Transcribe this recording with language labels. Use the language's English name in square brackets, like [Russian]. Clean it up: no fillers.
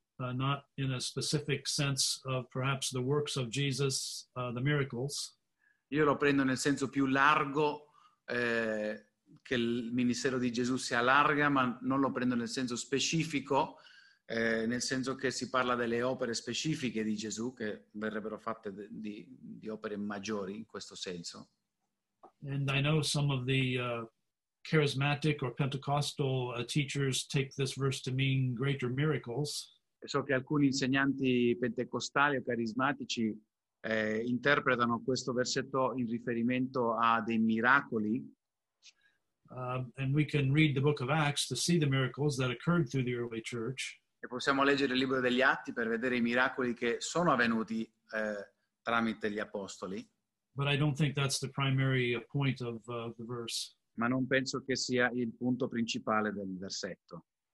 [English] Not in a specific sense of perhaps the works of Jesus, the miracles. [Italian] Io lo prendo nel senso più largo, che il ministero di Gesù si allarga, ma non lo prendo nel senso specifico, nel senso che si parla delle opere specifiche di Gesù, che verrebbero fatte di opere maggiori in questo senso. [English] And I know some of the charismatic or Pentecostal teachers take this verse to mean greater miracles. [Italian] So che alcuni insegnanti pentecostali o carismatici interpretano questo versetto in riferimento a dei miracoli. [English] And we can read the book of Acts to see the miracles that occurred through the early church. [Italian] E possiamo leggere il libro degli Atti per vedere i miracoli che sono avvenuti tramite gli apostoli. [English] But I don't think that's the primary point of the verse. [Italian] Ma non penso che sia il punto principale del versetto.